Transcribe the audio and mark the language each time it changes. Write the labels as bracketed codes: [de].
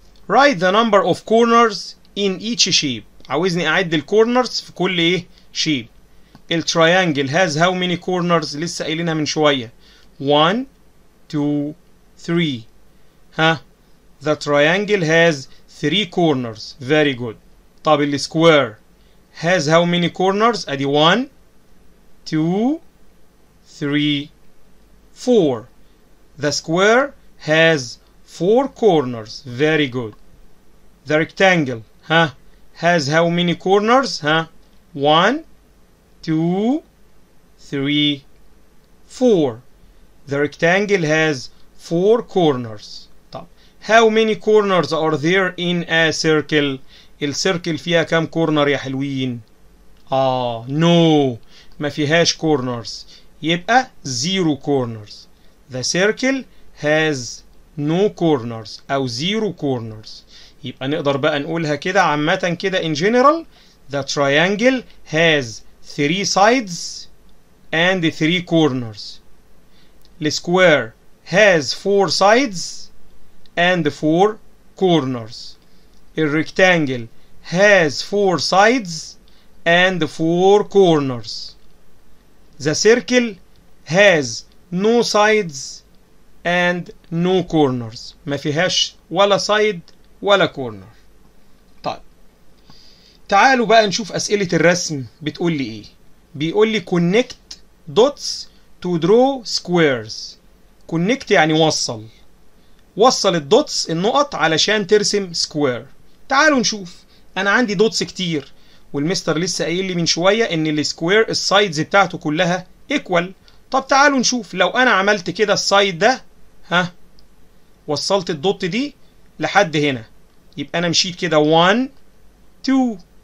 [en] Write the number of corners in each shape. [ar] عاوزني اعد الكورنرز في كل ايه شيب. [en] التريانجل has how many corners? [ar] لسه قايلينها من شويه 1 2 3. ها [en] The triangle has 3 corners, very good. [ar] طب [en] السكوير has how many corners? [ar] ادي [en] 1 2 3 4. The square has 4 corners, very good. The rectangle ها has how many corners? ها 1 2 3 4. The rectangle has four corners. [ar] طب [en] how many corners are there in a circle؟ [ar] السيركل فيها كم كورنر يا حلوين؟ نو ما فيهاش كورنرز، يبقى [en] zero corners. The circle has no corners [ar] او [en] zero corners. [ar] يبقى نقدر بقى نقولها كده عامة كده [en] in general، the triangle has three sides and three corners. The square has four sides and four corners. The rectangle has four sides and four corners. The circle has no sides and no corners. [ar] ما فيهاش ولا side ولا corner. تعالوا بقى نشوف أسئلة الرسم بتقول لي إيه. بيقول لي [en] connect dots to draw squares. [ar] connect يعني وصل، وصل الدوتس النقط علشان ترسم square. تعالوا نشوف، أنا عندي دوتس كتير، والمستر لسه قايل لي من شوية إن السكوير السايدز بتاعته كلها equal. طب تعالوا نشوف لو أنا عملت كده السايد ده، ها وصلت الدوت دي لحد هنا، يبقى أنا مشيت كده 1 2.